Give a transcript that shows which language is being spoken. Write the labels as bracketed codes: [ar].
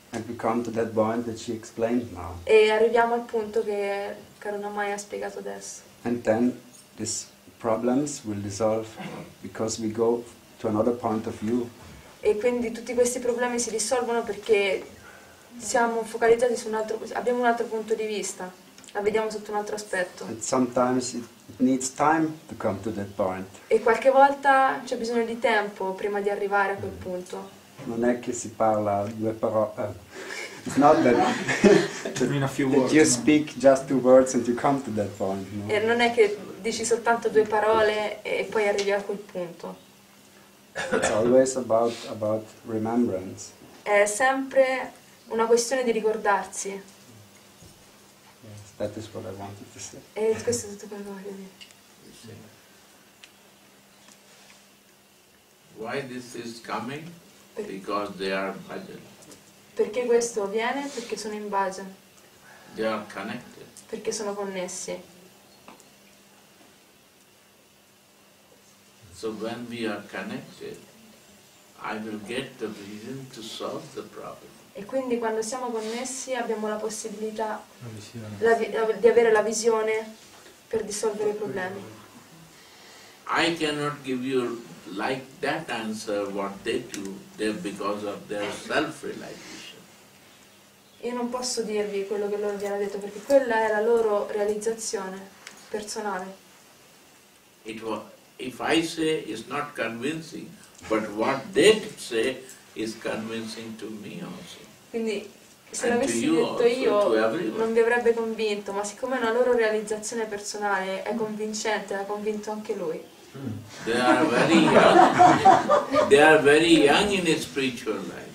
[en] And we come to that point that she explained now. [it] E arriviamo al punto che Karuna Mai ha spiegato adesso. [en] And then these problems will dissolve because we go to another point of view. [it] E quindi tutti questi problemi si risolvono perché siamo focalizzati su un altro, abbiamo un altro punto di vista, la vediamo sotto un altro aspetto. [en] And sometimes it needs time to come to that point. [it] E qualche volta c'è bisogno di tempo prima di arrivare a quel punto. Non è che si parla due parole. [en] It's not that, that you speak just two words and you come to that point. [it] No? E non è che dici soltanto due parole e poi arrivi a quel punto. [en] It's always about remembrance. [it] È sempre una questione di ricordarsi. [en] Yes, that is what I wanted to say. [it] E questo è tutto quello che voglio dire. [en] Why this is coming? Because they are bhajan. [it] Perché questo avviene? Perché sono in bhajan. [en] They are connected. [it] Perché sono connessi. [en] So when we are connected, I will get the reason to solve the problem. [it] E quindi quando siamo connessi abbiamo la possibilità di avere la visione per risolvere i problemi. [en] I cannot give you like that answer what they do there because of their self-realization. [it] Io non posso dirvi quello che loro vi hanno detto perché quella è la loro realizzazione personale. [en] It was. If I say it's not convincing, but what they say is convincing to me also. [it] Quindi se l'avessi detto io non vi avrebbe convinto, ma siccome è una loro realizzazione personale è convincente, l'ha convinto anche lui. [en] They are very young in a spiritual life.